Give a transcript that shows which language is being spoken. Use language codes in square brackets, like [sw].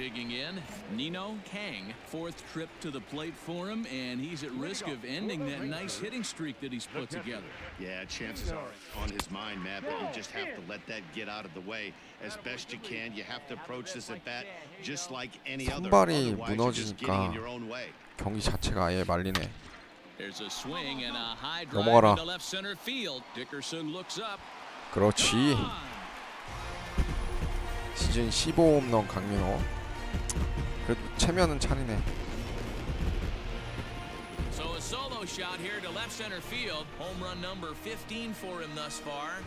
[en] Digging in, Nino Kang, fourth trip to the plate for him, and he's at risk of ending that nice hitting streak that he's put together. Yeah, chances are on his mind, Matt, but you just have to let that get out of the way as best you can. You have to approach this at bat just like any other. [ko] 선발이 무너지니까 경기 자체가 아예 말리네. [en] There's a swing and a high drive to the left center field. Dickerson looks up. [ko] 그렇지. 시즌 15홈런 강민호. 그래도 체면은 차리네. [en] So a solo shot here to left center field. Home run number 15 for him thus far.